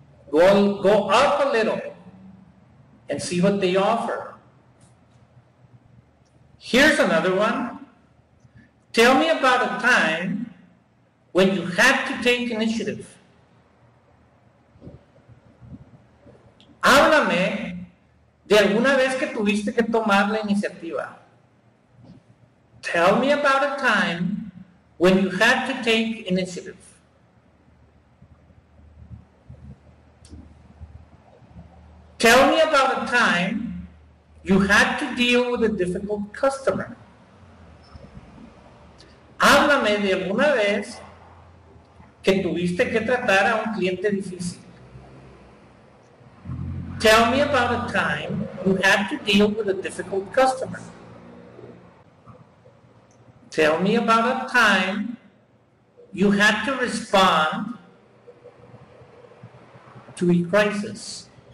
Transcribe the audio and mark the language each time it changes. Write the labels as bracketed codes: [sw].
[en] Go up a little and see what they offer. Here's another one. Tell me about a time when you had to take initiative. [es] Háblame de alguna vez que tuviste que tomar la iniciativa. [en] Tell me about a time when you had to take initiative. Tell me about a time you had to deal with a difficult customer. [es] Háblame de alguna vez que tuviste que tratar a un cliente difícil. [en] Tell me about a time you had to deal with a difficult customer. Tell me about a time you had to respond to a crisis.